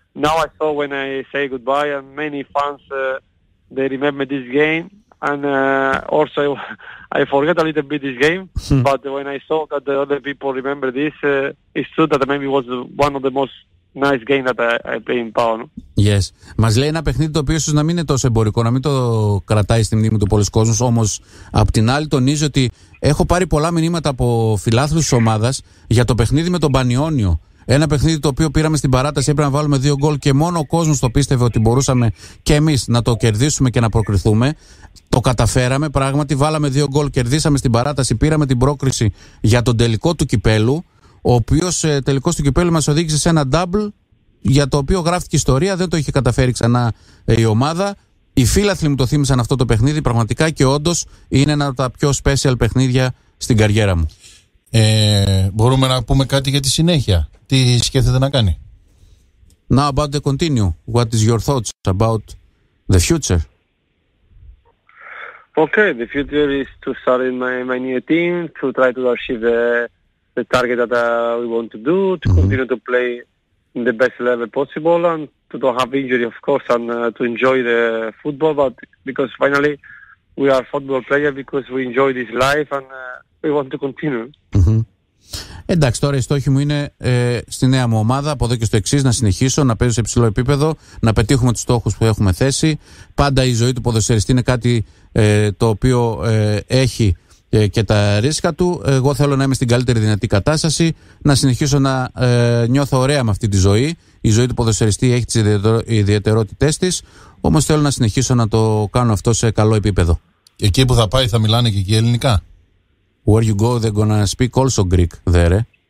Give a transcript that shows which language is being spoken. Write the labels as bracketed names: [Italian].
[English] Now I saw when I say goodbye, and many fans they remember this game, and also I forget a little bit this game. But when I saw that the other people remember this, it's true that maybe it was one of the most nice games that I played in PAOK. No? Yes. [Greek] Μας λέει ένα παιχνίδι το οποίο ίσως να μην είναι τόσο εμπορικό, να μην το κρατάει στη μνήμη του πολλούς κόσμους, όμως απ' την άλλη τονίζει ότι έχω πάρει πολλά μηνύματα από φιλάθλους της ομάδας για το παιχνίδι με τον Πανιόνιο. Ένα παιχνίδι το οποίο πήραμε στην παράταση, έπρεπε να βάλουμε 2 γκολ και μόνο ο κόσμος το πίστευε ότι μπορούσαμε και εμείς να το κερδίσουμε και να προκριθούμε. Το καταφέραμε πράγματι, βάλαμε 2 γκολ, κερδίσαμε στην παράταση, πήραμε την πρόκριση για τον τελικό του κυπέλου, ο οποίος τελικός του κυπέλου μας οδήγησε σε ένα double για το οποίο γράφτηκε ιστορία, δεν το είχε καταφέρει ξανά η ομάδα. Οι φίλαθλοι μου το θύμισαν αυτό το παιχνίδι πραγματικά και όντως είναι ένα από τα πιο special παιχνίδια στην καριέρα μου. Μπορούμε να πούμε κάτι για τη συνέχεια. Τι σκέφτεται να κάνει? [English] Now about the continue. What is your thoughts about the future? Okay, the future is to start in my new team, to try to achieve the target that we want to do, to continue to play in the best level possible and to not have injury, of course, and to enjoy the football. But because finally we are football players because we enjoy this life and we want to continue. Mm-hmm. [Greek] Εντάξει, τώρα η στόχη μου είναι στη νέα μου ομάδα, από εδώ και στο εξής, να συνεχίσω να παίζω σε υψηλό επίπεδο, να πετύχουμε τους στόχους που έχουμε θέσει. Πάντα η ζωή του ποδοσφαιριστή είναι κάτι το οποίο έχει και τα ρίσκα του. Εγώ θέλω να είμαι στην καλύτερη δυνατή κατάσταση, να συνεχίσω να νιώθω ωραία με αυτή τη ζωή. Η ζωή του ποδοσφαιριστή έχει τις ιδιαιτερότητές της, όμως θέλω να συνεχίσω να το κάνω αυτό σε καλό επίπεδο. Εκεί που θα πάει θα μιλάνε και εκεί ελληνικά? [English] Where you go, they're gonna speak also Greek there, eh?